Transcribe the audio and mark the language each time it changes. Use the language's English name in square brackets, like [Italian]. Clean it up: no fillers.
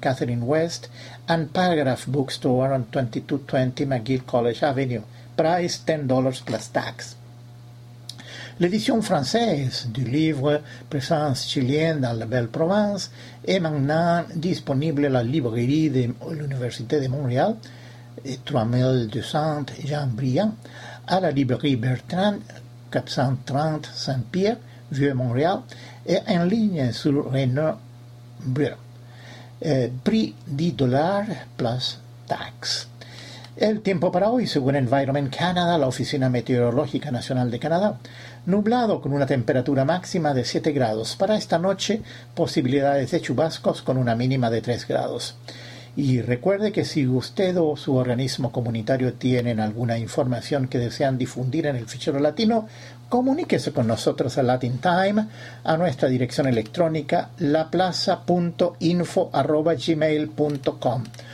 [English] Catherine West and Paragraph Bookstore on 2220 McGill College Avenue. Price $10 plus tax. [French] L'édition française du livre Présence chilienne dans la Belle Provence est maintenant disponible à la librairie de l'Université de Montréal, 3200 Jean Briand, à la librairie Bertrand, 430 Saint-Pierre, Vieux-Montréal, et en ligne sur Renaud Brun. Prix $10 plus tax. [Spanish] El tiempo para hoy, según Environment Canada, la Oficina Meteorológica Nacional de Canadá, nublado con una temperatura máxima de 7 grados. Para esta noche, posibilidades de chubascos con una mínima de 3 grados. Y recuerde que si usted o su organismo comunitario tienen alguna información que desean difundir en el fichero latino, comuníquese con nosotros a Latin Time, a nuestra dirección electrónica laplaza.info@gmail.com.